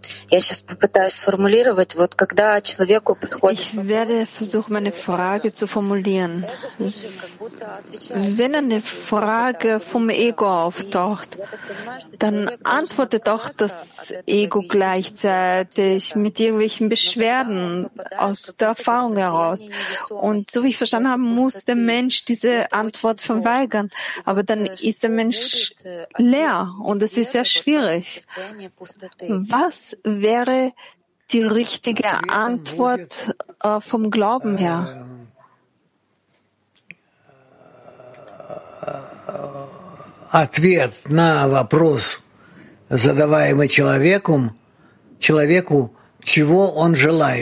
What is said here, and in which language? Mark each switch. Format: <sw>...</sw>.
<ru>Я сейчас попытаюсь сформулировать, вот когда человеку приходит...</ru> <de>Ich werde versuchen, meine Frage zu formulieren. Wenn eine Frage vom Ego auftaucht, dann antwortet auch das Ego gleichzeitig mit irgendwelchen Beschwerden aus der Erfahrung heraus. Und so wie ich verstanden habe, muss der Mensch diese Antwort verweigern. Aber dann ist der Mensch leer und es ist sehr schwierig. Was wäre die richtige Antwort vom Glauben her?</de> <ru>Ответ на вопрос, задаваемый человеку, чего он желает.</ru>